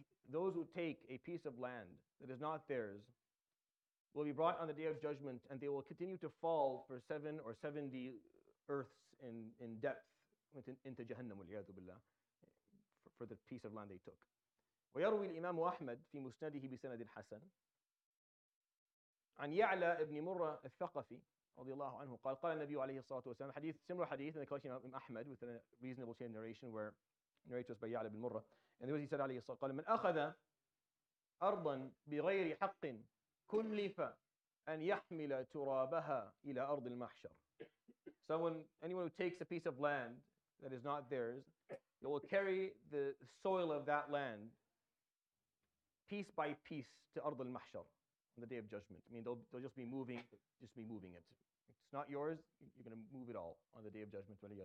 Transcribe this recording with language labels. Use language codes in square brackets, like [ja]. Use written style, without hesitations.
[en] Those who take a piece of land that is not theirs will be brought on the Day of Judgment, and they will continue to fall for 70 earths in depth into Jahannam, [ar] وَالْعِيَاذُ بِاللَّهِ, [en] for the piece of land they took. [ar] وَيَرْوِي الْإِمَامُ أَحْمَدُ فِي مُسْنَدِهِ بِسَنَدِ الْحَسَنِ عَنْ يَعْلَى إِبْنِ مُرَّ الثَّقَفِ رضي الله عنه قال قال النبي عليه الصلاة والسلام حديث [en] similar hadith in the collection of Imam Ahmad with a reasonable chain of narration where narrated was by [ar] يَعْلَى بِن مُرَّ [en] and there was he said [ar] عليه الصلاة قال مَنْ أَخَذَ أَرْضًا بِغَيْرِ حَقٍ كُلِّفَ أَنْ يَحْمِلَ تُرَابَهَا إِلَى أَرْضِ الْمَحْشَرِ. [en] Anyone who takes a piece of land that is not theirs, they will carry the soil of that land piece by piece to أرض المحشر on the Day of Judgment. I mean, they'll just be moving it. It's not yours, you're going to move it all on the Day of Judgment.